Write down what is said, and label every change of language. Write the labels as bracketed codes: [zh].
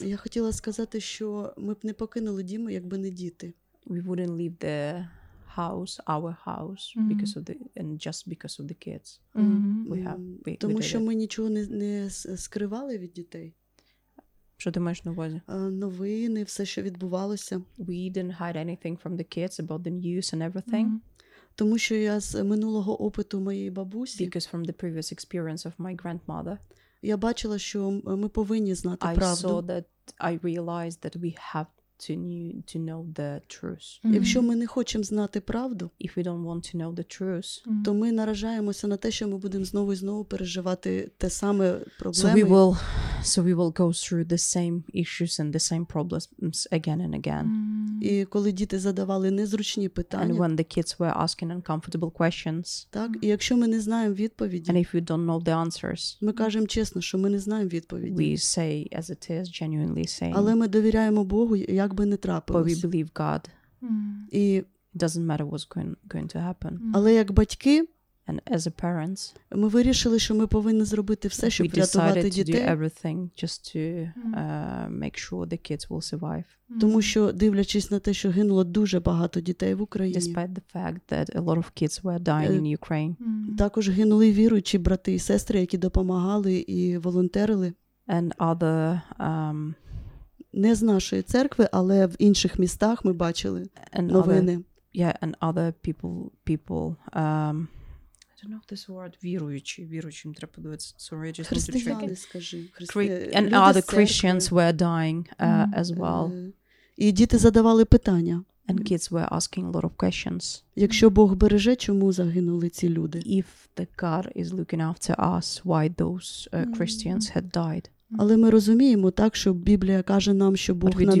[uk] Я хотіла сказати, що ми б не покинули дім, якби не діти. [en] We wouldn't leave the house, our house, mm-hmm. because of the kids. Mm-hmm. [uk] Тому що ми нічого не скривали від дітей. Що ти маєш на увазі? Новини, все, що відбувалося. [en] We didn't hide anything from the kids about the news and everything. Mm-hmm. [uk] Тому що я з минулого опиту моєї бабусі. [en] Because from the previous experience of my grandmother. [uk] Я бачила, що ми повинні знати правду. [en] I saw that I realized that we have to know the truth. Mm-hmm. [uk] Якщо ми не хочемо знати правду, [en] if we don't want to know the truth, mm-hmm. [uk] то ми наражаємося на те, що ми будемо знову і знову переживати те саме проблеми. [en] So we will go through the same issues and the same problems again and again. Mm-hmm. [uk] І коли діти задавали незручні питання, [en] and when the kids were asking uncomfortable questions. [uk] Так, і якщо ми не знаємо відповіді, [en] and if we don't know the answers. [uk] Ми кажемо чесно, що ми не знаємо відповіді. [en] We say as it is, genuinely saying. [uk] Але ми довіряємо Богу, як би не трапилось. [en] But we believe God. Mm. [uk] І [en] it doesn't matter what's going to happen. [uk] Mm. Але як батьки, [en] and as a parents, [uk] ми вирішили, що ми повинні зробити все, щоб врятувати дітей. [en] We decided to do everything just to make sure the kids will survive. Mm. [uk] Тому що, дивлячись на те, що гинуло дуже багато дітей в Україні, [en] despite the fact that a lot of kids were dying in Ukraine, [uk] також гинули віруючі брати і сестри, які допомагали і волонтерили, [en] and other [uk] не з нашої церкви, але в інших містах ми бачили [en] and [uk] новини. [en] Other, yeah, and other people, I don't know this word, [uk] віруючим треба подивитися. [en] Sorry, just [uk] християни, [en] need to check. [uk] Скажи. [en] And [uk] люди [en] other Christians were dying as well. [uk] І діти задавали питання. [en] And kids were asking a lot of questions. [uk] Якщо Бог береже, чому загинули ці люди? [en] If the God is looking after us, why those Christians had died? [uk] Але ми розуміємо так, що Біблія каже нам, що Бог на небі.